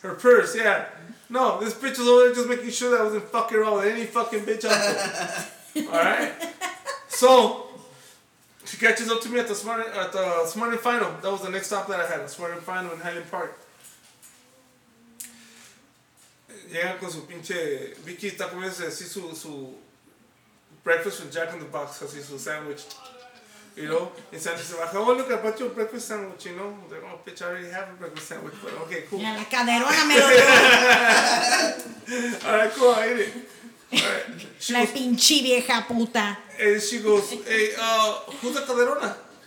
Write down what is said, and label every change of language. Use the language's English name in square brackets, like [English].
[English] Her purse, yeah. No, this bitch was only just making sure that I wasn't fucking around with any fucking bitch out there. Alright? So she catches up to me at the Smart and Final. That was the next stop that I had, Smart and Final in Highland Park. [Spanish] Llega con su pinche Vicky, está comiendo así su breakfast with Jack in the Box, así su sandwich. [English] You know? And Sandra se baja, oh, look, I bought you a breakfast sandwich, you know? They're like, oh, bitch, I already have a breakfast sandwich, but okay, cool. [Spanish] Ya la caderona me lo dio. [English] All right, cool, I eat it. [Spanish] Right. La pinche vieja puta. [English] And she goes, hey, who's the caderona?